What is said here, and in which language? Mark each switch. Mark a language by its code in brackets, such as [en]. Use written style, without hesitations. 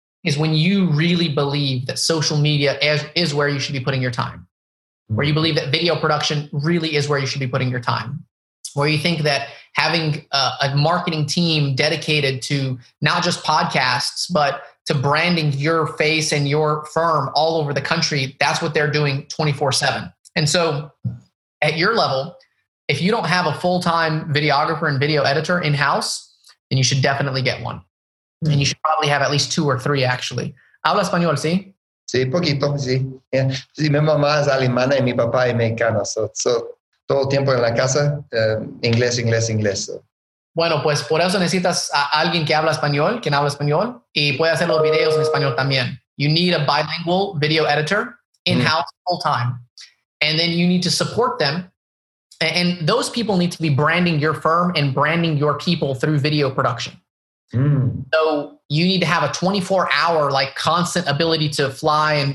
[en] is when you really believe that social media is where you should be putting your time, where you believe that video production really is where you should be putting your time, where you think that having a marketing team dedicated to not just podcasts, but to branding your face and your firm all over the country, that's what they're doing 24/7. And so at your level, if you don't have a full-time videographer and video editor in-house, then you should definitely get one. Mm-hmm. And you should probably have at least two or three, actually. [es] Habla español, ¿sí? Sí, poquito, sí. Yeah. Sí, mi mamá es alemana y mi papá es mexicano. So todo el tiempo en la casa, inglés. [en] So. [es] Bueno, pues por eso necesitas a alguien que habla español, quien habla español, y puede hacer los videos en español también. [en] You need a bilingual video editor in-house full-time. And then you need to support them. And those people need to be branding your firm and branding your people through video production. Mm. So you need to have a 24-hour, like, constant ability to fly.